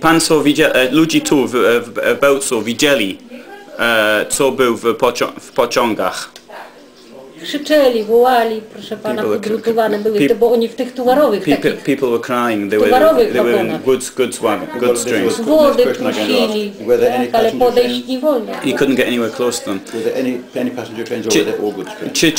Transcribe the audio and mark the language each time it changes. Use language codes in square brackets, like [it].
[pl] Pan co widział, ludzie tu w Belcu widzieli, co był w pociągach. Krzyczeli, wołali, proszę pana, podrutowane były, to, bo oni w tych towarowych takich... [en] People were crying, they were in goods wagon, goods trains. [pl] Wody prosili, tak, ale podejść nie wolno. [en] He couldn't get anywhere close to them. Were there any passenger trains or were they all goods trains?